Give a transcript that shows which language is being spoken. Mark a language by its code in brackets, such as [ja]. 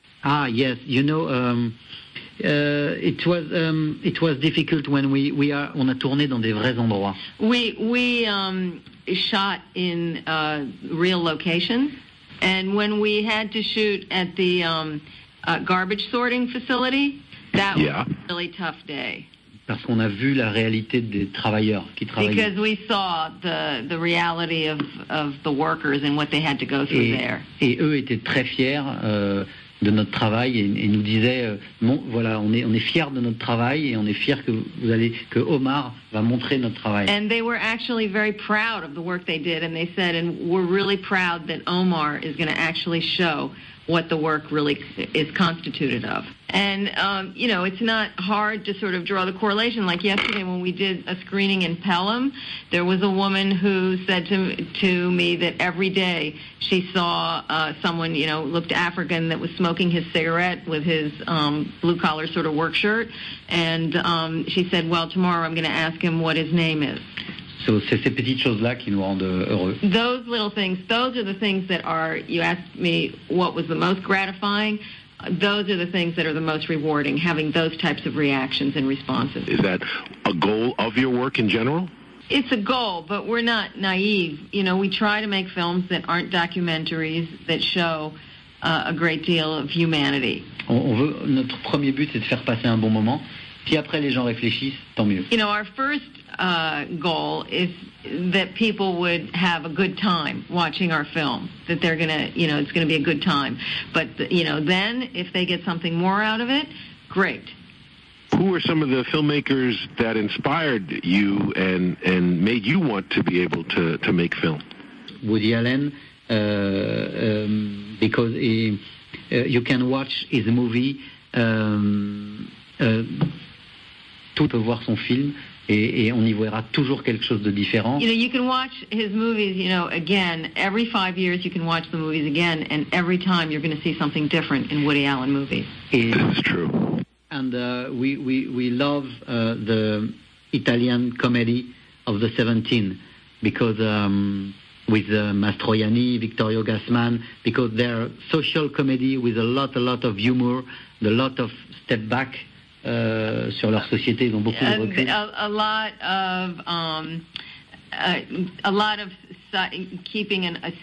[en] Ah, yes. You know, it was difficult when we are on a [fr] tournée dans des vrais endroits. [en] We shot in real locations, and when we had to shoot at the garbage sorting facility, that was a really tough day. [fr] Parce qu'on a vu la réalité des travailleurs qui travaillaient. [en] Because we saw the reality of the workers and what they had to go through there. [fr] Et eux étaient très fiers de notre travail et nous disaient bon, voilà, on est fiers de notre travail et on est fiers que Omar va montrer notre travail. [en] And they were actually very proud of the work they did, and they said, and we're really proud that Omar is going to actually show what the work really is constituted of. And, you know, it's not hard to sort of draw the correlation. Like yesterday when we did a screening in Pelham, there was a woman who said to me that every day she saw someone, you know, looked African, that was smoking his cigarette with his blue-collar sort of work shirt. And she said, well, tomorrow I'm going to ask him what his name is. [fr] So c'est ces petites choses-là qui nous rendent heureux. [en] Those little things, those are the things that are, you asked me what was the most gratifying, those are the things that are the most rewarding, having those types of reactions and responses. Is that a goal of your work in general? It's a goal, but we're not naive. You know, we try to make films that aren't documentaries, that show a great deal of humanity. [fr] On veut, notre premier but, c'est de faire passer un bon moment. Puis après, les gens réfléchissent, tant mieux. [en] You know, our first goal is that people would have a good time watching our film, that they're going to, you know, it's going to be a good time. But, you know, then if they get something more out of it, great. Who are some of the filmmakers that inspired you and made you want to be able to make film? Woody Allen, because he, you can watch his movie. [fr] Tout peut voir son film et on y verra toujours quelque chose de différent. [en] You know, you can watch his movies, you know, again. Every 5 years, you can watch the movies again, and every time, you're going to see something different in Woody Allen movies. That's true. And we love the Italian comedy of the 17, because with Mastroianni, Vittorio Gassman, because they're social comedy with a lot of humor, a lot of step back. [fr] Sur leur société, ils ont beaucoup de recul.